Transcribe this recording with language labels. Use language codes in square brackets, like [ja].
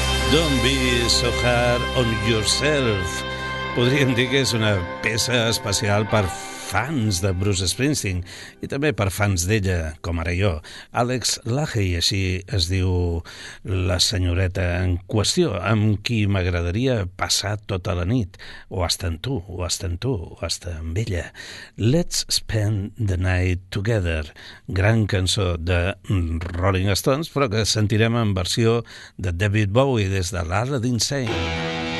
[en] Don't be so hard on yourself. [ca] Podríem dir que és una peça especial per fans de Bruce Springsteen i també per fans d'ella, com ara jo. Alex Lahey, així es diu la senyoreta en qüestió, amb qui m'agradaria passar tota la nit. O estar amb ella. [en] Let's spend the night together. [ca] Gran cançó de Rolling Stones, però que sentirem en versió de David Bowie des de l'Aladdin Sane.